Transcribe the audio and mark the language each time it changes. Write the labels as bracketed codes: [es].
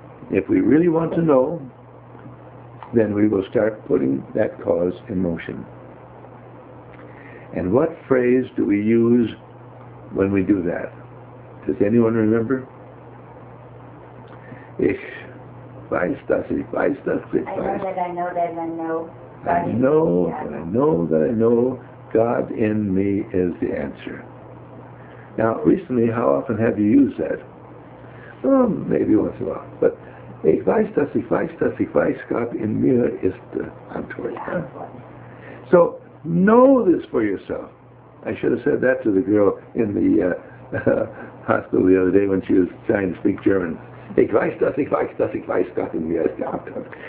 [en] If we really want to know, then we will start putting that cause in motion. And what phrase do we use when we do that? Does anyone remember? [de] Ich weiß, dass ich weiß, dass ich weiß. [en] I know that I know that I know. I know that I know that I know God in me is the answer. Now, recently, how often have you used that? Well, maybe once in a while. [de] But ich weiß, dass ich weiß, dass ich weiß, Gott in mir ist der Antwort. [en] So, know this for yourself. I should have said that to the girl in the hospital the other day when she was trying to speak German. [de] Ich weiß, dass ich weiß, dass ich weiß, Gott in mir ist der Antwort.